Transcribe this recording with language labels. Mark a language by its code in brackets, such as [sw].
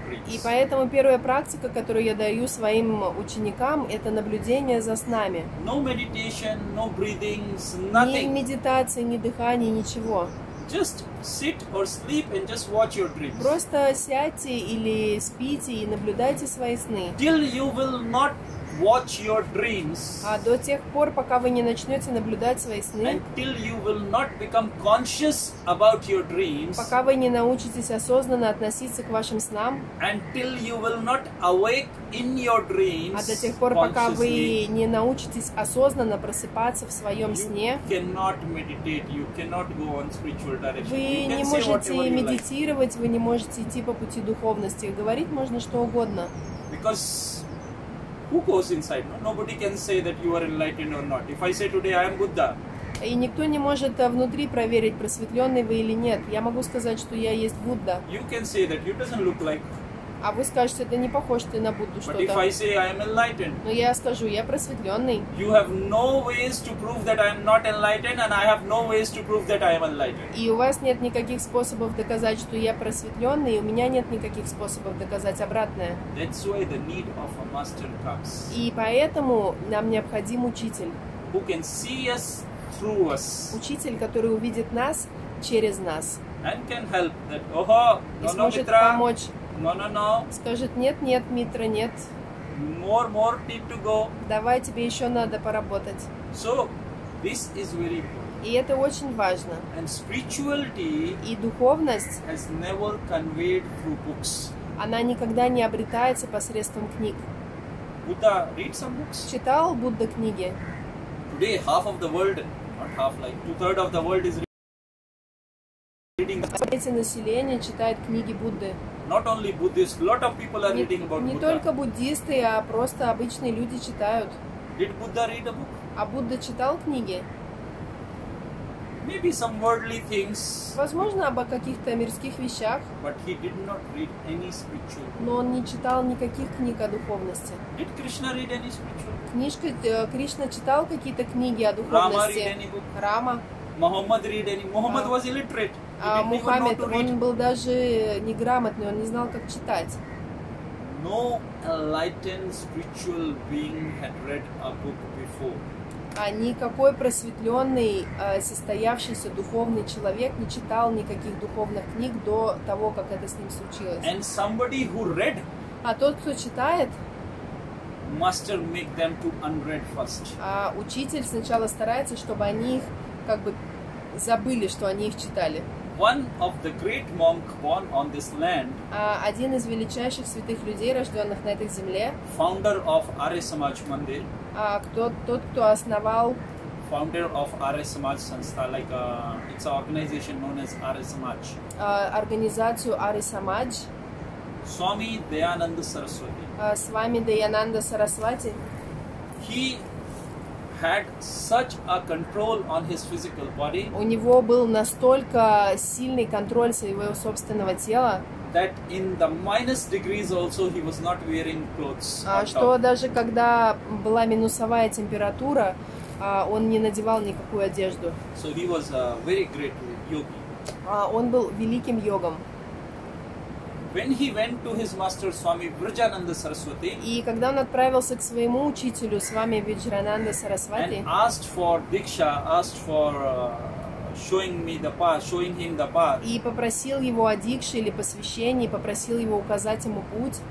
[ru] И поэтому первая практика, которую я даю своим ученикам, это наблюдение за снами. [en] No meditation, no breathing, nothing. [ru] Ни медитации, ни дыхания, ничего. [en] Just sit or sleep and just watch your dreams. [ru] Просто сядьте или спите и наблюдайте свои сны. [en] Till you will not watch your dreams. [ru] А до тех пор, пока вы не начнете наблюдать свои сны. [en] Until you will not become conscious about your dreams. [ru] Пока вы не научитесь осознанно относиться к вашим снам. [en] Until you will not awake in your dreams. [ru] А до тех пор, пока вы не научитесь осознанно просыпаться в своем сне. [en] You cannot meditate. You cannot go on spiritual direction. [ru] Вы не можете медитировать, вы не можете идти по пути духовности. Говорить можно что угодно. [en] Because who goes inside? Nobody can say that you are enlightened or not. If I say today I am Buddha, [ru] и никто не может внутри проверить, просветленный вы или нет. Я могу сказать, что я есть Будда. [en] You can say that you doesn't look like. [ru] А вы скажете, это не похож ты на Будду что-то. [en] But if I say I am enlightened, [ru] но я скажу, я просветленный. [en] You have no ways to prove that I am not enlightened, and I have no ways to prove that I am enlightened. [ru] И у вас нет никаких способов доказать, что я просветленный, и у меня нет никаких способов доказать обратное. [en] That's why the need of a master comes. [ru] И поэтому нам необходим учитель. [en] Who can see us through us. [ru] Учитель, который увидит нас через нас. [en] And can help that. Oho, [ru] и сможет помочь. [en] No. [ru] Скажет, нет, Митра, нет. [en] More need to go. [ru] Давай, тебе еще надо поработать. [en] So, this is very important. [ru] И это очень важно. [en] And spirituality, [ru] и духовность, [en] has never conveyed through books. [ru] Она никогда не обретается посредством книг. [en] Buddha read some books? [ru] Читал Будда книги? [en] Today, half of the world, not half, like two-thirds of the world is reading. [ru] Эти населения читают книги Будды. [en] Not only Buddhists, lot of people are reading about Buddha. [ru] Не только буддисты, а просто обычные люди читают. [en] Did Buddha read a book? [ru] А Будда читал книги? [en] Maybe some worldly things. [ru] Возможно, об каких-то мирских вещах. [en] But he did not read any spiritual book. [ru] Но он не читал никаких книг о духовности. [en] Did Krishna read any spiritual book? [ru] Книжка, Кришна читал какие-то книги о духовности. [en] Rama read any book? [ru] Рама. [en] Мухаммад read any? Мухаммад was illiterate. [ru] А Мухаммед, он был даже неграмотный, он не знал, как читать. [en] No enlightened spiritual being had read a book before. [ru] А никакой просветленный, состоявшийся духовный человек не читал никаких духовных книг до того, как это с ним случилось. [en] And somebody who read, [ru] а тот, кто читает, [en] master make them to unread first. [ru] А учитель сначала старается, чтобы они их как бы забыли, что они их читали. [en] One of the great monk born on this land. [ru] Один из величайших святых людей, рожденных на этой земле. [en] Founder of Arya Samaj Mandir. [ru] Тот, кто основал. [en] Founder of Arya Samaj Sanstha, like it's an organization known as Arya Samaj. [ru] Организацию Arya Samaj. [en] Swami Dayananda Saraswati. [ru] Swami Dayananda Saraswati. [en] He had such a control on his physical body. [ru] У него был настолько сильный контроль своего собственного тела. [en] That in the minus degrees also he was not wearing clothes. [ru] А что даже когда была минусовая температура, он не надевал никакую одежду. [en] So he was a very great yogi. [ru] Он был великим йогом. [en] When he went to his master Swami Vrijananda Saraswati, [ru] и когда он отправился к своему учителю Свами Вриджананда Сарасвати, [en] and asked for diksha, asked for showing me the path, showing him the path. [ru] И попросил его о дикше или посвящении, попросил его указать ему путь.